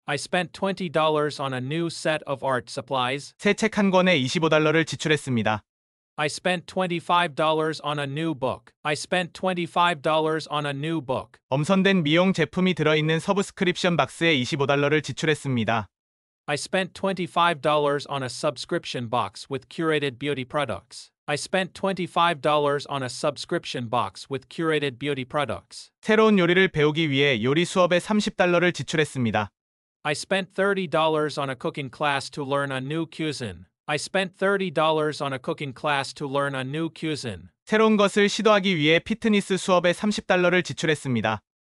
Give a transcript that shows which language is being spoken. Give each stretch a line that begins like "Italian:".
English: I spent $20 on a new set of art supplies.
Korean: 새 책 한 권에 $25를 지출했습니다.
English: I spent $25 on a new book. I spent $25 on a new book.
Korean: 엄선된 미용 제품이 들어있는 서브스크립션 박스에 $25를 지출했습니다.
English: I spent $25 on a subscription box with curated beauty products. I spent $25 on a subscription box with curated beauty products.
Korean: 새로운 요리를 배우기 위해 요리 수업에 $30를 지출했습니다.
English: I spent $30 on a cooking class to learn a new cuisine. I spent $30 on a cooking class to learn a new cuisine.
Korean: 새로운 것을 시도하기 위해 피트니스 수업에 $30를 지출했습니다.